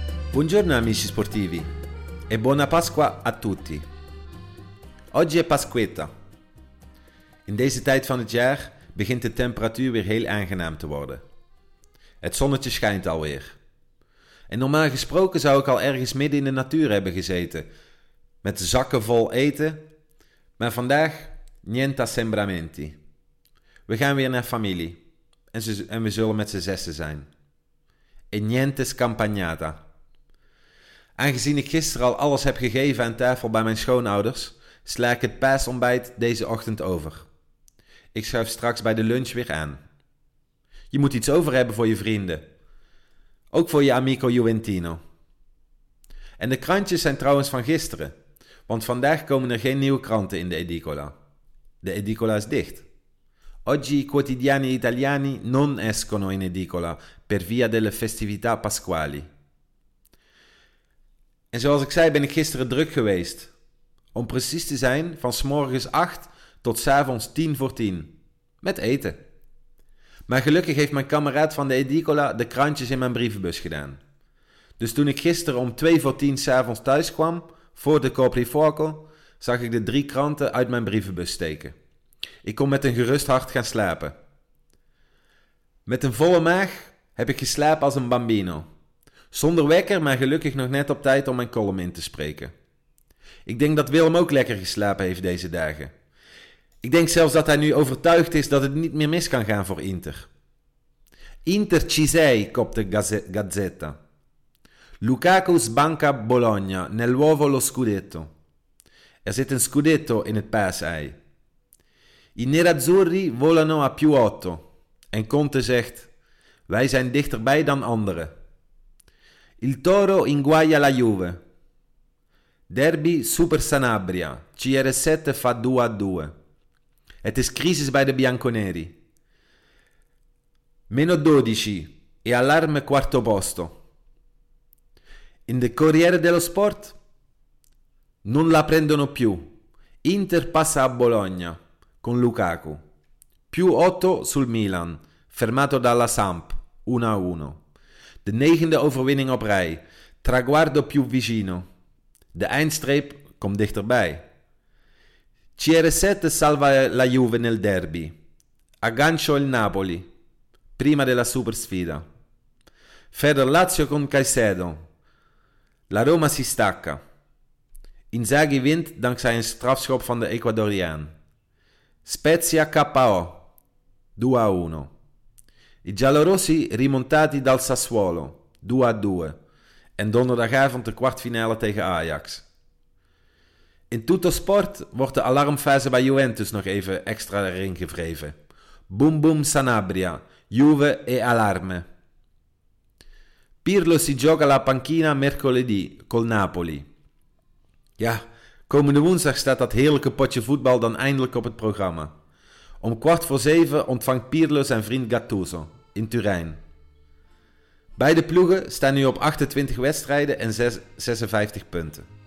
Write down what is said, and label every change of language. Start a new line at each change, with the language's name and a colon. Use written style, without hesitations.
Italian: Buongiorno amici sportivi e buona Pasqua a tutti. Oggi è Pasquetta.
Dutch: In deze tijd van het jaar begint de temperatuur weer heel aangenaam te worden. Het zonnetje schijnt alweer. En normaal gesproken zou ik al ergens midden in de natuur hebben gezeten, met zakken vol eten, maar vandaag
Italian: niente assembramenti.
Dutch: We gaan weer naar familie en we zullen met z'n zessen zijn.
Italian: E niente scampagnata.
Dutch: Aangezien ik gisteren al alles heb gegeven aan tafel bij mijn schoonouders, sla ik het paasontbijt deze ochtend over. Ik schuif straks bij de lunch weer aan. Je moet iets over hebben voor je vrienden. Ook voor je amico Juventino. En de krantjes zijn trouwens van gisteren, want vandaag komen er geen nieuwe kranten in de edicola. De edicola is dicht.
Italian: Oggi i quotidiani italiani non escono in edicola per via delle festività pasquali.
Dutch: En zoals ik zei, ben ik gisteren druk geweest. Om precies te zijn, van 8:00 tot 10:10. Met eten. Maar gelukkig heeft mijn kameraad van de edicola de krantjes in mijn brievenbus gedaan. Dus toen ik gisteren 9:40 s'avonds thuis kwam, voor de coprifuoco, zag ik de 3 kranten uit mijn brievenbus steken. Ik kon met een gerust hart gaan slapen. Met een volle maag heb ik geslapen als een bambino. Zonder wekker, maar gelukkig nog net op tijd om mijn column in te spreken. Ik denk dat Willem ook lekker geslapen heeft deze dagen. Ik denk zelfs dat hij nu overtuigd is dat het niet meer mis kan gaan voor Inter.
Italian: Inter ci sei, kopte Gazzetta. Lukaku sbanca Bologna nell'uovo lo scudetto.
Dutch: Er zit een scudetto in het paasei.
Italian: I nerazzurri volano a più 8.
Dutch: En Conte zegt, wij zijn dichterbij dan anderen.
Italian: Il Toro inguaia la Juve. Derby Super Sanabria. CR7 fa 2-2.
Dutch: Het is crisis bij de Bianconeri.
Italian: -12 e allarme quarto posto. In de Corriere dello Sport? Non la prendono più. Inter passa a Bologna con Lukaku. +8 sul Milan, fermato dalla Samp, 1-1.
Dutch: De 9e overwinning op rij.
Italian: Traguardo più vicino.
Dutch: De eindstreep komt dichterbij.
Italian: CR7 salva la Juve nel derby. Aggancio il Napoli. Prima della supersfida. Verder Lazio con Caicedo. La Roma si stacca.
Dutch: Inzaghi wint dankzij een strafschop van de Ecuadoriaan.
Italian: Spezia KO. 2-1. I giallorossi rimontati dal Sassuolo. 2-2.
Dutch: En donderdagavond de kwartfinale tegen Ajax. In Tutto Sport wordt de alarmfase bij Juventus nog even extra erin gevreven.
Italian: Boom boom Sanabria. Juve e allarme. Pirlo si gioca la panchina mercoledì col Napoli.
Dutch: Ja, komende woensdag staat dat heerlijke potje voetbal dan eindelijk op het programma. Om 6:15 ontvangt Pirlo zijn vriend Gattuso in Turijn. Beide ploegen staan nu op 28 wedstrijden en 56 punten.